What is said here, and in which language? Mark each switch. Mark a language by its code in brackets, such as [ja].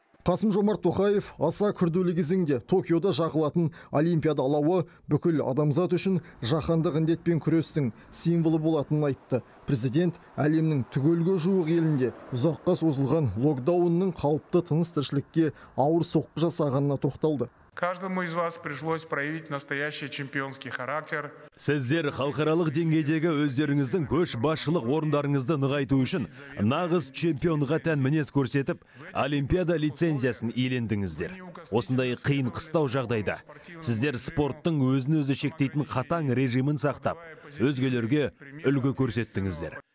[kk] Қасым Жомарт Тоқаев аса күрделі кезеңде Токиода жағылатын олимпиада алауы бүкіл адамзат үшін жаһандық індетпен күрестің символы болатынын айтты. Президент әлемнің түгелге жуық елінде ұзаққа созылған локдаунның қалыпты тыныс-тіршілікке ауыр соққы жасағанына тоқталды. [ru] Каждому из вас пришлось проявить настоящий чемпионский характер. [kk] Сіздер халықаралық деңгейдегі өздеріңіздің көш башылық орындарыңызды нығайту үшін нағыз чемпионға тән мінез көрсетіп, олимпиада лицензиясын иелендіңіздер. Осындай қиын қыстау жағдайда сіздер спорттың өзін-өзі шектейтін қатаң режимін сақтап, өзгелерге үлгі көрсеттіңіздер.